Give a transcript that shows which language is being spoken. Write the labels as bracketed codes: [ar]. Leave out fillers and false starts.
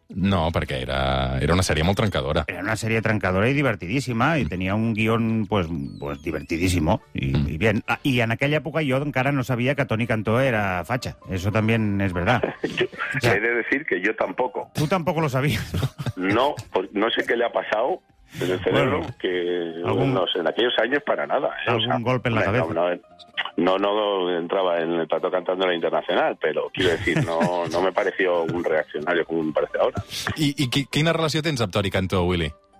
[ca] No, perquè era una sèrie molt trencadora. Era una sèrie trencadora i divertidíssima, i tenia [es] un guión pues [ca] divertidíssimo, [es] i bien. [ca] I en aquella època jo encara no sabia que Toni Cantó era facha. [es] Eso también es verdad. He de decir que yo tampoco. Tú tampoco lo sabías. No sé qué le ha pasado en el cerebro, bueno, que algún, no sé, en aquellos años para nada. Algún golpe en la cabeza. No entraba en el plató cantando la Internacional, pero quiero decir, no me pareció un reaccionario como me parece ahora. [ca] ¿Y quina relació tens amb Toni Cantó, Willy?